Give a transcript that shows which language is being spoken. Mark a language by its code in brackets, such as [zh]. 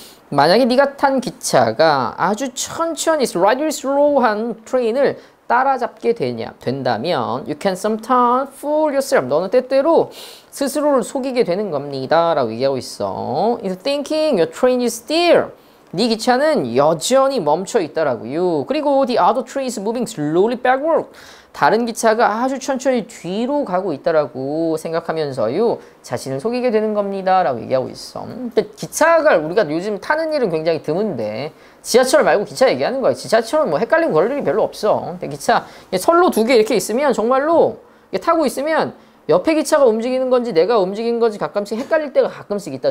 [ko] 만약에 네가 탄 기차가 아주 천천히 [en] rather slow [ko] 한 트레인을 따라잡게 되냐 된다면 [en] you can sometimes fool yourself. [ko] 너는 때때로 스스로를 속이게 되는 겁니다라고 얘기하고 있어. [en] You're thinking your train is still. [ko] 네 기차는 여전히 멈춰 있다라고요. [en] 그리고 the other train is moving slowly backward. [ko] 다른 기차가 아주 천천히 뒤로 가고 있다라고 생각하면서요. 자신을 속이게 되는 겁니다라고 얘기하고 있어. 근데 기차가 우리가 요즘 타는 일은 굉장히 드문데 지하철 말고 기차 얘기하는 거야. 지하철은 뭐 헷갈리고 그럴 일이 별로 없어. 근데 기차 선로 두 개 이렇게 있으면 정말로 타고 있으면 옆에 기차가 움직이는 건지 내가 움직인 건지 가끔씩 헷갈릴 때가 가끔씩 있다.